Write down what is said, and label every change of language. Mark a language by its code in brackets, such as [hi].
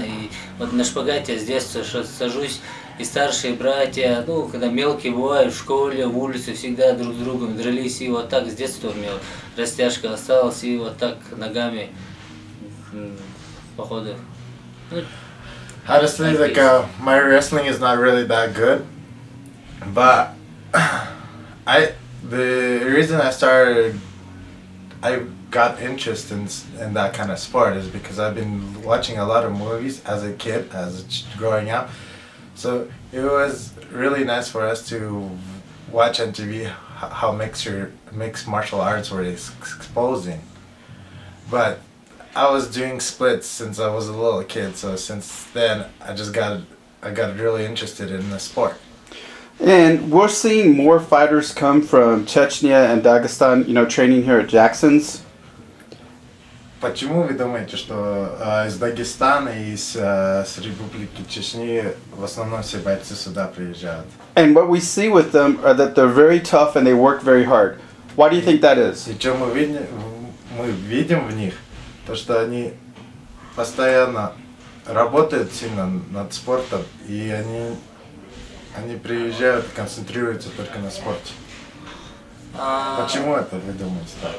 [ru] И вот на шпагате с детства сажусь, и старшие братья, ну, когда мелкие бывают, в школе, в улице, всегда друг с другом дрались. И вот так с детства у меня растяжка осталась, и вот так ногами походы. [en] Honestly, like, my wrestling is not really that good, but the reason I got interest in that kind of sport is because I've been watching a lot of movies as a kid, as growing up. So it was really nice for us to watch on TV how mixed martial arts were exposing. But I was doing splits since I was a little kid, so since then I got really interested in the sport. And we're seeing more fighters come from Chechnya and Dagestan, you know, training here at Jackson's. [ru] Почему вы думаете, что из Дагестана и с Республики Чечни в основном все бойцы сюда приезжают? [en] And what we see with them are that they're very tough and they work very hard. Why do you think that is? [ru] И что мы видим в них, то что они постоянно работают сильно над спортом, и они приезжают, концентрируются только на спорте. Почему это вы думаете так?